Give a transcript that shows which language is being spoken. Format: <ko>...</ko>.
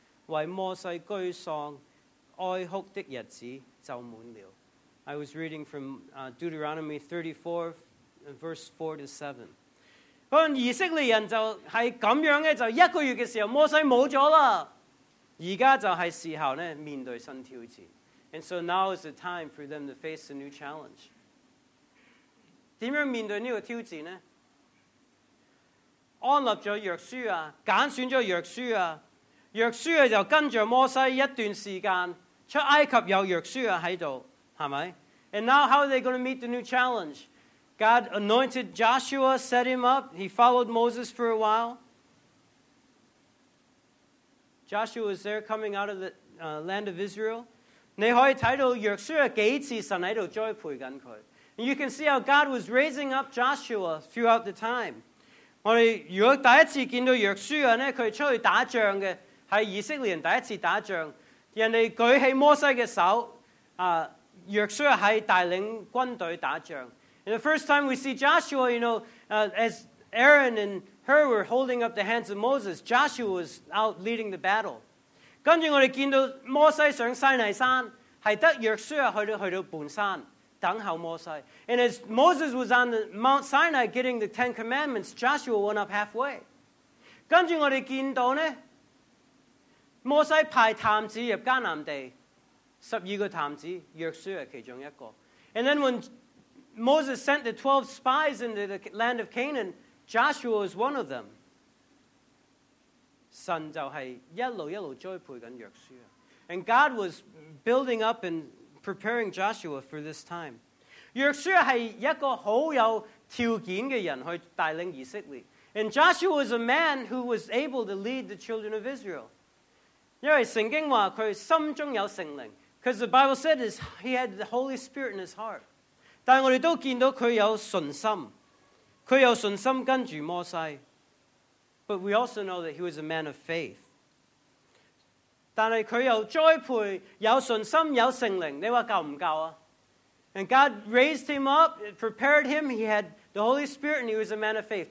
<yue>為摩西居喪哀哭的日子就滿了。</yue> <en>I was reading from Deuteronomy 34, verse 4 to 7.</en> <yue>以色列人就係咁樣咧，就一個月嘅時候，摩西冇咗啦。而家就係時候咧，面對新挑戰。</yue> <en>And so now is the time for them to face a new challenge.</en> <yue>點樣面對呢個挑戰咧？安立咗約書亞，揀選咗約書亞。約書亞就跟著摩西一段時間，出埃及有約書亞喺度，係咪？</yue> <en>And now how are they going to meet the new challenge? God anointed Joshua, set him up. He followed Moses for a while. Joshua is there coming out of the land of Israel.</en> <yue>你可以睇到約書亞幾次神喺度栽培緊佢。</yue> <en>And you can see how God was raising up Joshua throughout the time.</en> <yue>我哋如果第一次見到約書亞咧，佢出去打仗嘅。是以色列人第一次打仗，人家举起摩西的手，约书亚是带领军队打仗。</yue> <en>And the first time we see Joshua, you know, as Aaron and Hur were holding up the hands of Moses, Joshua was out leading the battle.</en> <yue>跟着我们看到摩西上西奈山，是得约书亚去到半山，等候摩西。</yue> <en>And as Moses was on the Mount Sinai getting the Ten Commandments, Joshua went up halfway.</en> <yue>跟着我们看到呢，摩西派探子入迦南地，12个探子，约书亚其中一个。</yue> <en>And then when Moses sent the 12 spies into the land of Canaan, Joshua was one of them.</en> <yue>神就系一路一路栽培紧约书亚。</yue> <en>And God was building up and preparing Joshua for this time.</en> <yue>約書是一個很有條件的人去帶領以色列.</yue> <en>And Joshua was a man who was able to lead the children of Israel.</en> <yue>因為聖經說他心中有聖靈.</yue> <en>Because the Bible said this, he had the Holy Spirit in his heart.</en> <yue>但我們都看到他有信心. 他有信心跟著摩西.</yue> <en>But we also know that he was a man of faith.</en> <yue>但是他有栽培,有信心,有聖靈. 你說夠不夠啊?</yue> <en>And God raised him up, prepared him. He had the Holy Spirit and he was a man of faith.</en>